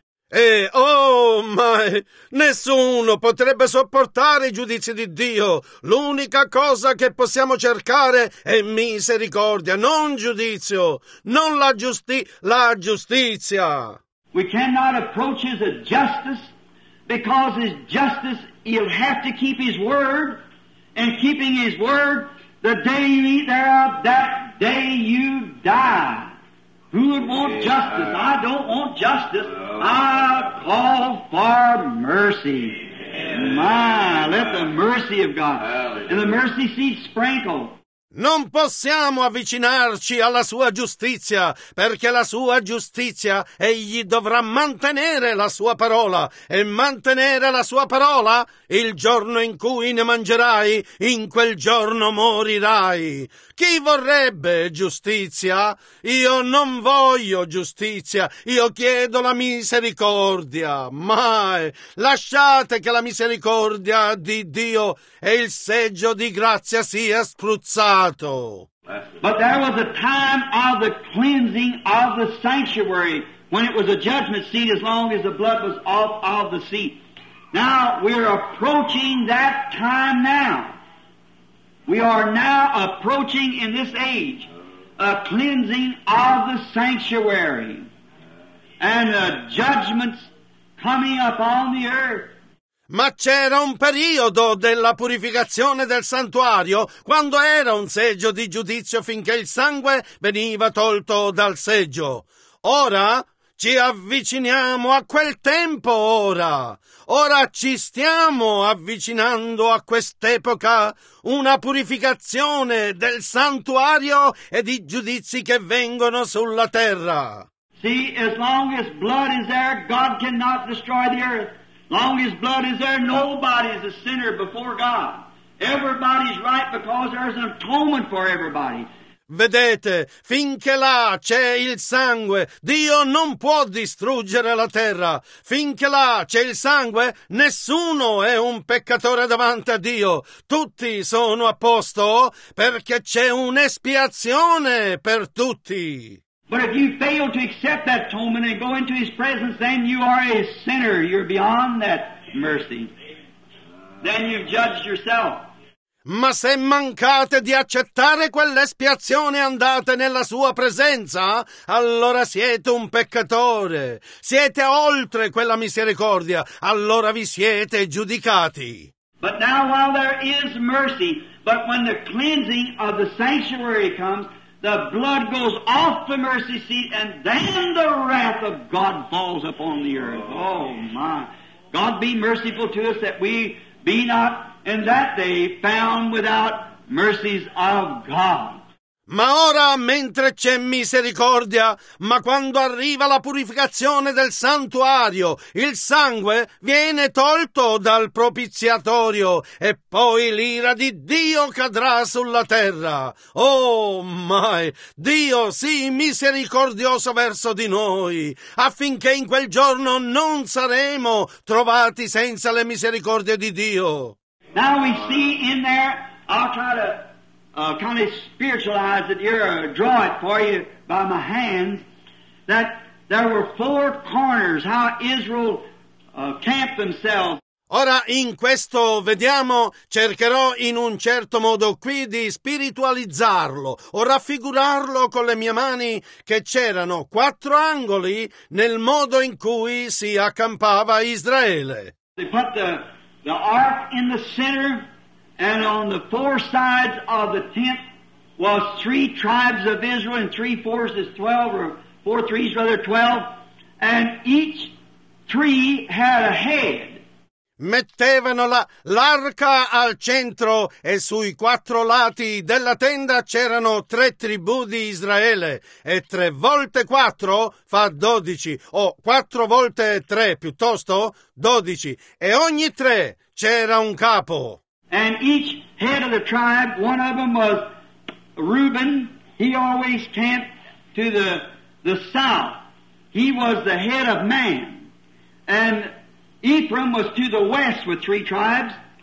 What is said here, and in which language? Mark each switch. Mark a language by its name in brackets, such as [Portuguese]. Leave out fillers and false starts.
[Italian] E oh, ma nessuno potrebbe sopportare i giudizi di Dio. L'unica cosa che possiamo cercare è misericordia, non giudizio, non la giustizia. [English] We cannot approach his justice because his justice, he'll have to keep his word. And keeping his word, the day you eat thereof, that day you die. Who would want justice? I don't want justice. I call for mercy. My, let the mercy of God and the mercy seat sprinkle. [Italian] Non possiamo avvicinarci alla sua giustizia, perché la sua giustizia, egli dovrà mantenere la sua parola, e mantenere la sua parola, il giorno in cui ne mangerai, in quel giorno morirai. Chi vorrebbe giustizia? Io non voglio giustizia, io chiedo la misericordia. Mai, lasciate che la misericordia di Dio e il seggio di grazia sia spruzzato. [English] But there was a time of the cleansing of the sanctuary when it was a judgment seat as long as the blood was off of the seat. Now we're approaching that time now. We are now approaching in this age a cleansing of the sanctuary and the judgments coming upon the earth. [Italian] Ma c'era un periodo della purificazione del santuario quando era un seggio di giudizio finché il sangue veniva tolto dal seggio. Ora Ci avviciniamo a quel tempo ora. Ora ci stiamo avvicinando a quest'epoca, una purificazione del santuario e di giudizi che vengono sulla terra. [English] See, as long as blood is there, God cannot destroy the earth. Long as blood is there, nobody is a sinner before God. Everybody's right because there's an atonement for everybody. [Italian] Vedete, finché là c'è il sangue, Dio non può distruggere la terra. Finché là c'è il sangue, nessuno è un peccatore davanti a Dio. Tutti sono a posto perché c'è un'espiazione per tutti. [English] But if you fail to accept that atonement and go into His presence, then you are a sinner. You're beyond that mercy. Then you've judged yourself. [Italian] Ma se mancate di accettare quell'espiazione e andate nella sua presenza, allora siete un peccatore. Siete oltre quella misericordia, allora vi siete giudicati. [English] But now while there is mercy, but when the cleansing of the sanctuary comes, the blood goes off the mercy seat and then the wrath of God falls upon the earth. Oh my. God be merciful to us that we be not in that day found without mercies of God. [Italian] Ma ora, mentre c'è misericordia, ma quando arriva la purificazione del santuario, il sangue viene tolto dal propiziatorio e poi l'ira di Dio cadrà sulla terra. Oh, mai! Dio, sii misericordioso verso di noi, affinché in quel giorno non saremo trovati senza le misericordie di Dio. [English] Now we see in there, I'll try to kind of spiritualize it here, draw it for you by my hand, that there were four corners, how Israel camped themselves. [Italian] Ora in questo vediamo, cercherò in un certo modo qui di spiritualizzarlo o raffigurarlo con le mie mani, che c'erano quattro angoli nel modo in cui si accampava Israele. [English] They put the ark in the center. And on the four sides of the tent was three tribes of Israel, and three fours is 12, or four threes rather, 12. And each tree had a head. [Italian] Mettevano l'arca al centro e sui quattro lati della tenda c'erano tre tribù di Israele. E tre volte quattro fa 12, o quattro volte tre piuttosto 12. E ogni tre c'era un capo. [English] And each head of the tribe, one of them was Reuben. He always camped to the south. He was the head of man. And Ephraim was to the west with three tribes.